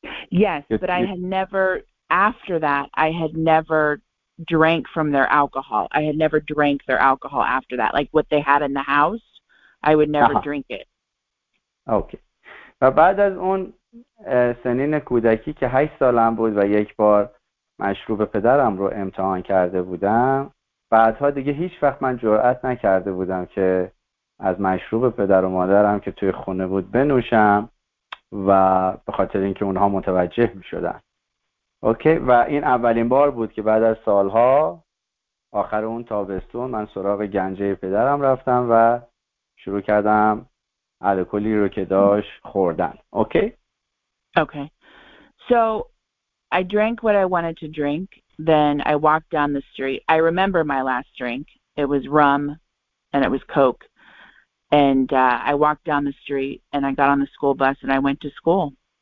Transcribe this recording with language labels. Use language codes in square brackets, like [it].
[en] Yes, but I had never, after that, I had never drank from their alcohol. I had never drank their alcohol after that. Like what they had in the house, I would never drink it. Okay. [fa] و بعد از اون سنین کودکی که 8 سالم بود و یک بار مشروب پدرم رو امتحان کرده بودم، بعدها دیگه هیچ وقت من جرأت نکرده بودم که از مشروب پدر و مادرم که توی خونه بود بنوشم و به خاطر اینکه اونها متوجه می‌شدن. اوکی و این اولین بار بود که بعد از سالها آخر اون تابستون من سراغ گنجه پدرم رفتم و شروع کردم الکلی رو که داشت خوردن. [en] Okay? Okay. So I drank what I wanted to drink, then I walked down the street. I remember my last drink. It was rum and it was coke. And I walked down the street and I got on the school bus and I went to school.